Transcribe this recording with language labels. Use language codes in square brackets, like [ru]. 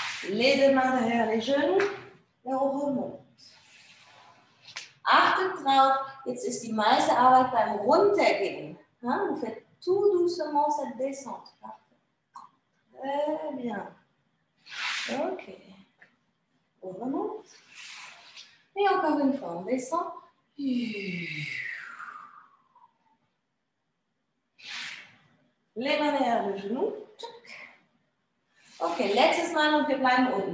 [fr] Les deux mains derrière les genoux et on remonte. [de] Achtet drauf, jetzt ist die meiste Arbeit beim Runtergehen. Hein? [fr] Vous faites tout doucement cette descente. Parfait. Très bien. Ok. On remonte. Et encore une fois, on descend. Les mains derrière le genou. [de] Ok, letztes Mal und wir bleiben unten.